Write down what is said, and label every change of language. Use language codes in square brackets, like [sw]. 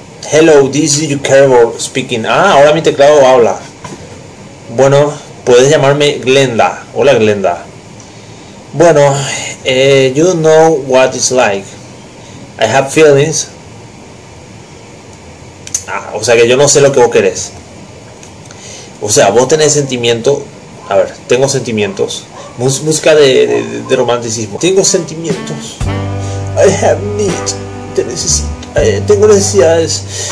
[en] Hello, this is your keyboard speaking. [es] Ah, ahora mi teclado habla. Bueno, puedes llamarme Glenda. Hola, Glenda. [en] Bueno, you know what it's like. I have feelings. [es] Ah, o sea que yo no sé lo que vos querés. O sea, vos tenés sentimiento. A ver, tengo sentimientos. Música de romanticismo. Tengo sentimientos. [en] I have need. [es] Te necesito. Tengo necesidades.